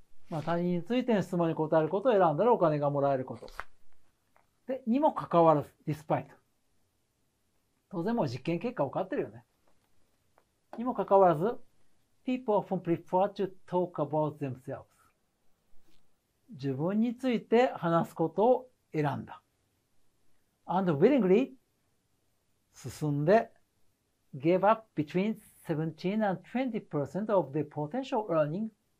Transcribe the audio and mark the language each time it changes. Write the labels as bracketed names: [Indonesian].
[Japanese] まあ、他人についての質問に答えることを選んだらお金がもらえること。で、にもかかわらず、ディスパイト。当然もう実験結果分かってるよね。にもかかわらず、 [English] People often prefer to talk about themselves。 [Japanese] 自分について話すことを選んだ。 [English] And willingly [Japanese] 進んで、 [English] gave up between 17 and 20% of the potential earning。